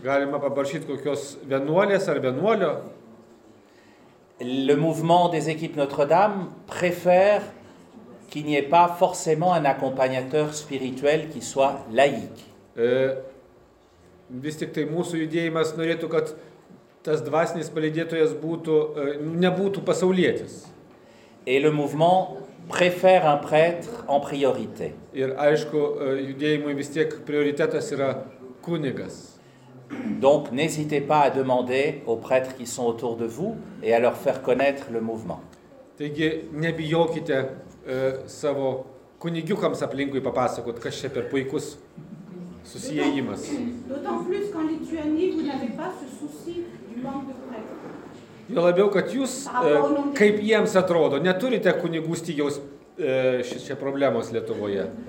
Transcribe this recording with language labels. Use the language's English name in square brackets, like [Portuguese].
[Lithuanian] Galima paprašyti kokios vienuolės ar vienuolio. [French] Le mouvement des équipes Notre-Dame préfère qu'il n'y ait pas forcément un accompagnateur spirituel qui soit laïque. [Lithuanian] Vis tik tai mūsų judėjimas norėtų, kad tas dvasinis palydėtojas būtų, nebūtų pasaulietis. [French] Et le mouvement préfère un prêtre en priorité. [Lithuanian] Ir aišku, judėjimui vis tiek prioritetas yra kunigas. [French] Donc n'hésitez pas à demander aux prêtres qui sont autour de vous et à leur faire connaître le mouvement. [Lithuanian] Taigi, nebijokite savo kunigiukams aplinkui papasakot, kas čia per puikus susiejimas. [French] D'autant plus qu'en Lituanie, vous n'avez pas ce souci du manque de prêtres. [Lithuanian] Jo labiau, kad jūs, kaip jiems atrodo, neturite kunigų stygiaus šia problemos Lietuvoje.